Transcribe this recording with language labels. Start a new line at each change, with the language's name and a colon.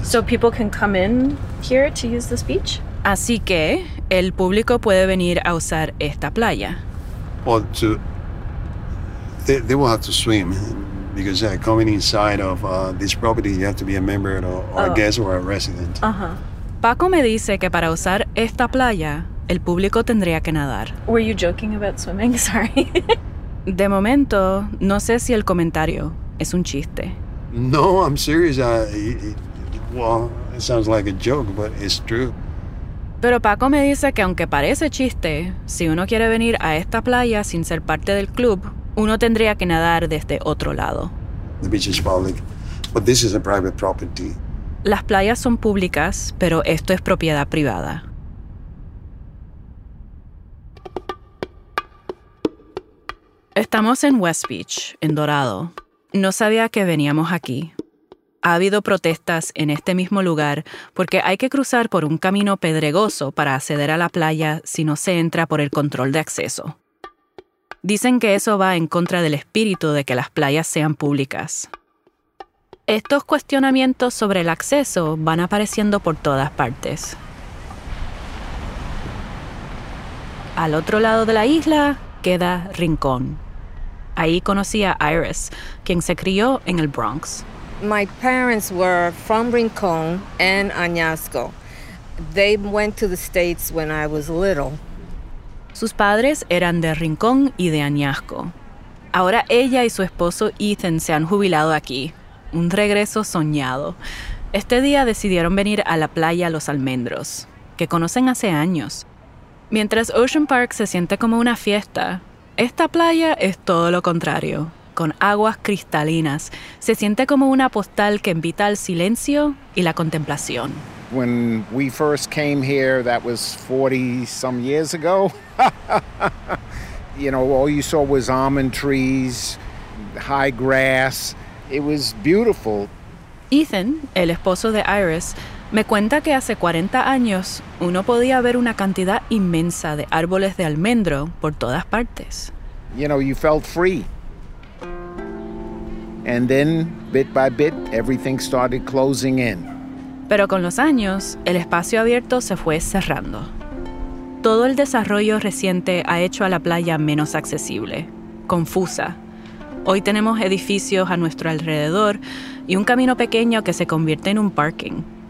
English: So people can come in here to use this beach?
Spanish: Así que el público puede venir a usar esta playa.
English: Well, they will have to swim. Because coming inside of this property, you have to be a member or a guest or a resident.
Spanish: Paco me dice que para usar esta playa, el público tendría que nadar.
English: Were you joking about swimming? Sorry.
Spanish: De momento, no sé si el comentario es un chiste.
English: No, I'm serious. It sounds like a joke, but it's true.
Spanish: Pero Paco me dice que aunque parece chiste, si uno quiere venir a esta playa sin ser parte del club, uno tendría que nadar desde otro lado.
English: The beach is public, but this is a private property.
Spanish: Las playas son públicas, pero esto es propiedad privada. Estamos en West Beach, en Dorado. No sabía que veníamos aquí. Ha habido protestas en este mismo lugar porque hay que cruzar por un camino pedregoso para acceder a la playa si no se entra por el control de acceso. Dicen que eso va en contra del espíritu de que las playas sean públicas. Estos cuestionamientos sobre el acceso van apareciendo por todas partes. Al otro lado de la isla queda Rincón. Ahí conocí a Iris, quien se crió en el Bronx.
English: My parents were from Rincón and Añasco. They went to the States when I was little.
Spanish: Sus padres eran de Rincón y de Añasco. Ahora ella y su esposo Ethan se han jubilado aquí. Un regreso soñado. Este día decidieron venir a la playa Los Almendros, que conocen hace años. Mientras Ocean Park se siente como una fiesta, esta playa es todo lo contrario. Con aguas cristalinas, se siente como una postal que invita al silencio y la contemplación.
English: When we first came here, that was 40-some years ago. You know, all you saw was almond trees, high grass. It was beautiful.
Spanish: Ethan, el esposo de Iris, me cuenta que hace 40 años uno podía ver una cantidad inmensa de árboles de almendro por todas partes.
English: You know, you felt free. And then, bit by bit, everything started closing in.
Spanish: Pero con los años, el espacio abierto se fue cerrando. Todo el desarrollo reciente ha hecho a la playa menos accesible, confusa. Hoy tenemos edificios a nuestro alrededor y un camino pequeño que se convierte en un parking.